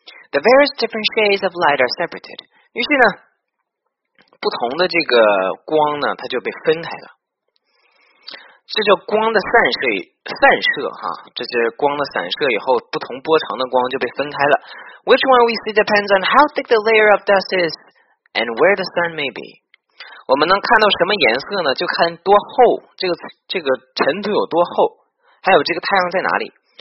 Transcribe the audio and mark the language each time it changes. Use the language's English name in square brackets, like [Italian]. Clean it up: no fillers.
[English] The various different shades of light are separated. [Chinese] 于是呢，不同的这个光呢，它就被分开了。这叫光的散射哈，这是光的散射以后，不同波长的光就被分开了。 [English] Which one we see depends on how thick the layer of dust is and where the sun may be. [Chinese] 我们能看到什么颜色呢？就看多厚，这个尘土有多厚，还有这个太阳在哪里。